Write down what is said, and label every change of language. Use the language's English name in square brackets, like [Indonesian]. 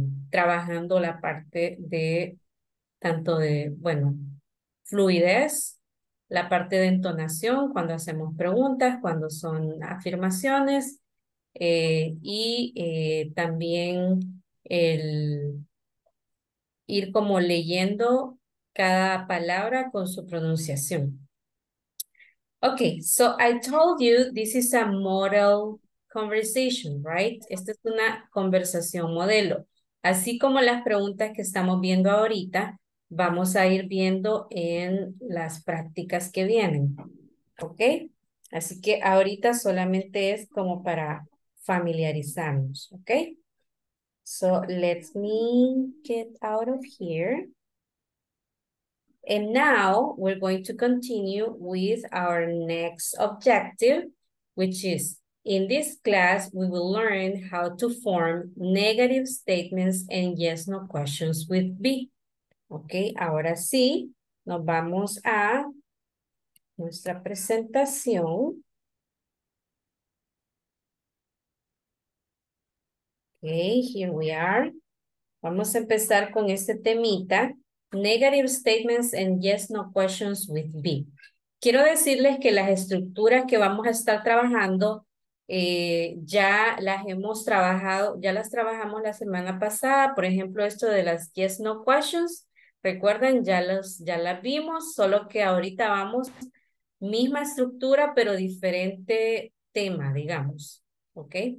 [Spanish] trabajando la parte de tanto de, bueno, fluidez, la parte de entonación cuando hacemos preguntas, cuando son afirmaciones, y también el ir como leyendo cada palabra con su pronunciación. [English] Okay, so I told you this is a model conversation, right? [Spanish] Esta es una conversación modelo. Así como las preguntas que estamos viendo ahorita, vamos a ir viendo en las prácticas que vienen, ¿ok? Así que ahorita solamente es como para familiarizarnos, ¿ok? [English] So, let me get out of here. And now, we're going to continue with our next objective, which is, in this class, we will learn how to form negative statements and yes-no questions with be. [Spanish] Ok, ahora sí, nos vamos a nuestra presentación. [English] Ok, here we are. [Spanish] Vamos a empezar con este temita. [English] Negative statements and yes, no questions with be. [Spanish] Quiero decirles que las estructuras que vamos a estar trabajando ya las hemos trabajado, ya las trabajamos la semana pasada. Por ejemplo, esto de las yes, no questions. Recuerden, ya las vimos, solo que ahorita vamos misma estructura, pero diferente tema, digamos, ¿ok?